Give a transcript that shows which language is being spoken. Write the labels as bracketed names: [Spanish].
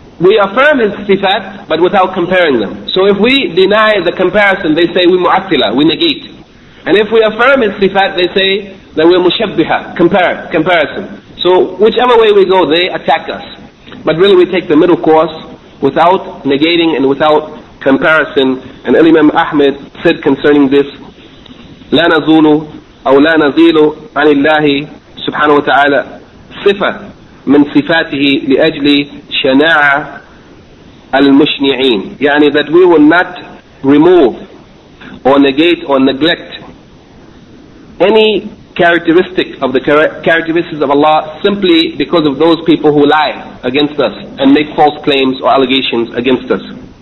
[English] We affirm His sifat, but without comparing them. So if we deny the comparison, they say we mu'attila, we negate. And if we affirm His sifat, they say that we're mushabbiha, comparison. So whichever way we go, they attack us. But really we take the middle course, without negating and without comparison. And Imam Ahmed said concerning this, [Arabic] لا نزول أو لا نزيل عن الله سبحانه وتعالى صفة من صفاته لأجل شناعة المشنعين. [English] يعني that we will not remove or negate or neglect any characteristic of the characteristics of Allah simply because of those people who lie against us and make false claims or allegations against us.